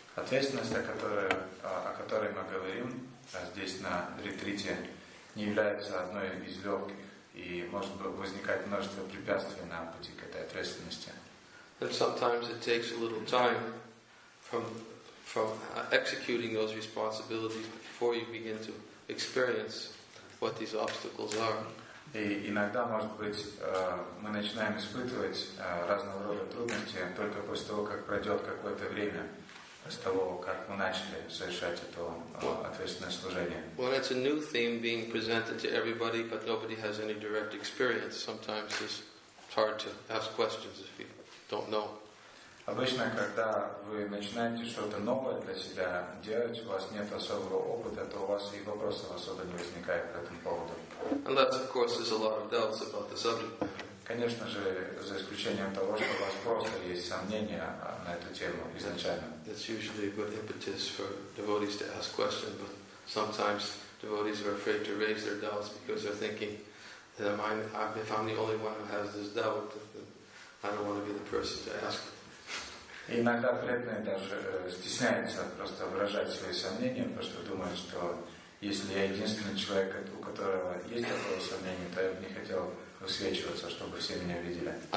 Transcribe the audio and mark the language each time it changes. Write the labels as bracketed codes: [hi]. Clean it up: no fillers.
[ru] Ответственность, о которой мы говорим здесь на ретрите, не является одной из легких, и может возникать множество препятствий на пути к этой ответственности. [en] And sometimes it takes a little time from executing those responsibilities before you begin to experience what these obstacles are. [ru] И иногда, может быть, мы начинаем испытывать разного рода трудности только после того, как пройдет какое-то время с того, как мы начали совершать это ответственное служение. [en] Well, it's a new theme being presented to everybody, but nobody has any direct experience. Sometimes it's hard to ask questions if you don't know. [ru] Обычно, когда вы начинаете что-то новое для себя делать, у вас нет особого опыта, то у вас и вопросов особо не возникает по этому поводу. [en] Unless, of course, there's a lot of doubts about the subject. [ru] Конечно же, за исключением того, что у вас просто есть сомнения на эту тему изначально. [en] That's usually a good impetus for devotees to ask questions, but sometimes devotees are afraid to raise their doubts because they're thinking, if I'm the only one who has this doubt, then I don't want to be the person to ask. [ru] Иногда преданные даже стесняются просто выражать свои сомнения, потому что думают, что если я единственный человек, у которого есть такое сомнение, то я бы не хотел высвечиваться, чтобы все меня видели.